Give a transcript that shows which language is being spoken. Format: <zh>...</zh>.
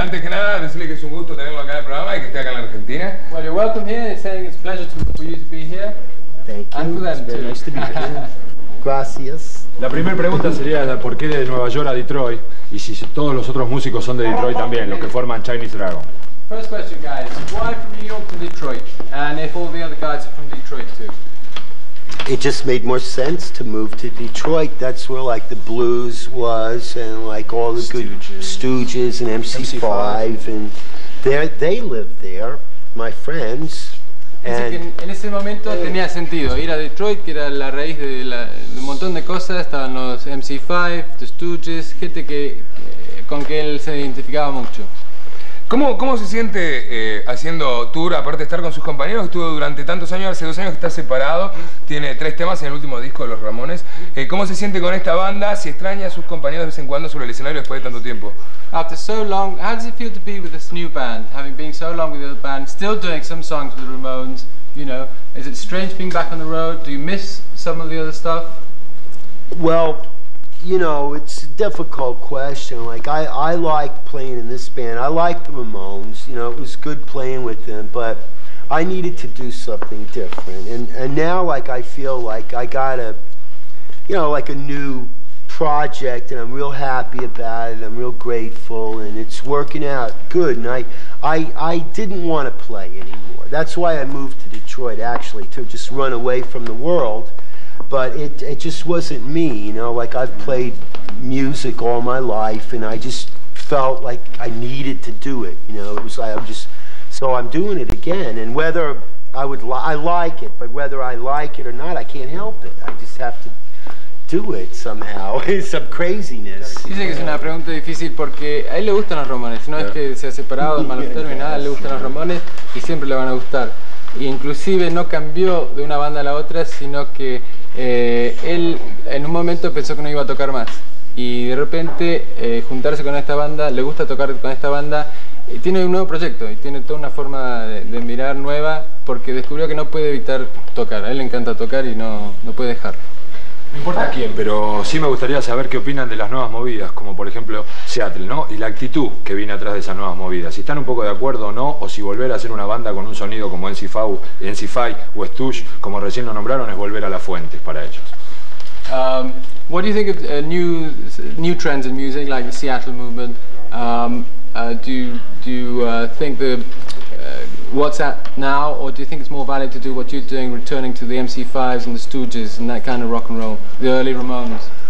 <es>Antes que nada, decirle que es un gusto tenerlo acá en el programa y que esté acá en la Argentina.</es> <en>Well, you're welcome here. It's saying it's a pleasure to, for you to be here. Thank you. And for them too. Nice to be here. Gracias.</en> <es>La primera pregunta sería la por qué de Nueva York a Detroit y si todos los otros músicos son de Detroit también, los que forman Chinese Dragon.</es> <en>First question, guys. Why from New York to Detroit? And if all the other guys are from Detroit too? It just made more sense to move to Detroit. That's where like the blues was and like all the Stooges. Good Stooges and MC5 and they lived there, my friends.</en> <es>And en ese momento tenía sentido ir a Detroit, que era la raíz de un montón de cosas. Estaban los MC5, the Stooges, gente que con que él se identificaba mucho. ¿Cómo se siente haciendo tour, aparte de estar con sus compañeros? Estuvo durante tantos años, hace 2 años que está separado, tiene 3 temas en el último disco de Los Ramones. ¿Cómo se siente con esta banda? ¿Si extraña a sus compañeros de vez en cuando sobre el escenario después de tanto tiempo?</es> <en>After so long, how does it feel to be with this new band? Having been so long with the other band, still doing some songs with the Ramones, you know, is it strange being back on the road? Do you miss some of the other stuff? Well, you know, it's a difficult question. Like, I like playing in this band. I like the Ramones. You know, it was good playing with them, but I needed to do something different. And now, like, I feel like I got a, you know, like a new project, and I'm real happy about it. I'm real grateful, and it's working out good. And I didn't want to play anymore. That's why I moved to Detroit, actually, to just run away from the world. But it just wasn't me, you know, like I've played music all my life and I just felt like I needed to do it, you know, it was like, so I'm doing it again, and whether I would, I like it, but whether I like it or not, I can't help it, I just have to do it somehow, some craziness.</en> <es>Dice que es una pregunta difícil porque a él le gustan los Ramones, no es que se ha separado, malos términos, nada, le gustan los Ramones y siempre le van a gustar. Y inclusive no cambió de una banda a la otra, sino que él en un momento pensó que no iba a tocar más. Y de repente juntarse con esta banda, le gusta tocar con esta banda, y tiene un nuevo proyecto, y tiene toda una forma de mirar nueva, porque descubrió que no puede evitar tocar. A él le encanta tocar y no puede dejar. No importa quién, pero sí me gustaría saber qué opinan de las nuevas movidas, como por ejemplo Seattle, ¿no? Y la actitud que viene atrás de esas nuevas movidas. Si están un poco de acuerdo o no, o si volver a hacer una banda con un sonido como NC5 o Stooge, como recién lo nombraron, es volver a las fuentes para ellos.</es> <en>What do you think of new trends in music like the Seattle movement? Do you think the what's that now, or do you think it's more valid to do what you're doing, returning to the MC5s and the Stooges and that kind of rock and roll, the early Ramones?</en>